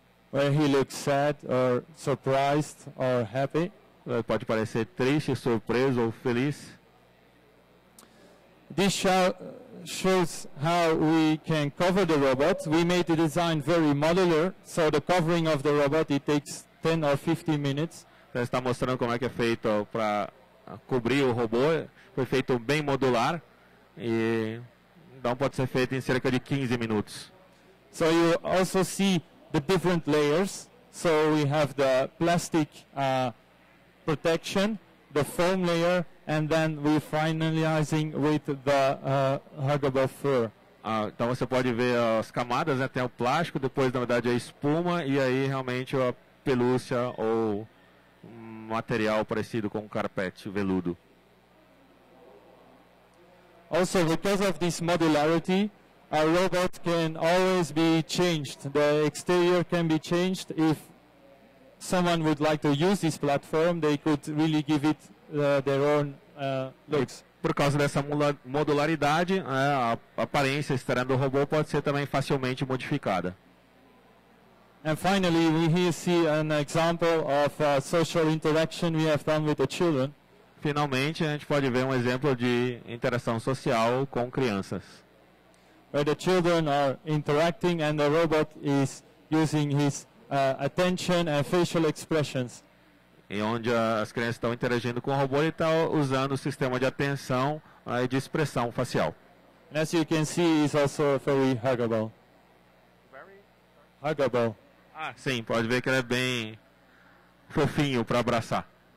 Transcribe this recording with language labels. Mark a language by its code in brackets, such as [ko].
[en] Where he looks sad or surprised or happy. [pt] Pode parecer triste, surpreso ou feliz. [en] This shows how we can cover the robot. We made the design very modular, so the covering of the robot, it takes 10 or 15 minutes. [pt] Ele está mostrando como é que é feito para cobrir o robô. Foi feito bem modular e não pode ser feito em cerca de 15 minutos. [en] So you also see the different layers. So we have the plastic protection, the foam layer, and then we finalizing with the huggable fur. [pt] Então você pode ver as camadas, né? Tem o plástico, depois na verdade a espuma e aí realmente a pelúcia ou material parecido com carpete veludo. [en] Also, because of this modularity, a robot can always be changed. The exterior can be changed. If someone would like to use this platform, they could really give it their own looks. [pt] Por causa dessa modularidade, a aparência externa do robô pode ser também facilmente modificada. [en] And finally, we here see an example of a social interaction we have done with the children. [pt] Finalmente, a gente pode ver um exemplo de interação social com crianças. [en] Where the children are interacting and the robot is using his attention and facial expressions. [pt] E onde as crianças estão interagindo com o robô, ele está usando o sistema de atenção e de expressão facial. [en] And as you can see, it's also very huggable. Very huggable. [pt] Ah, sim, pode ver que ele é bem fofinho para abraçar.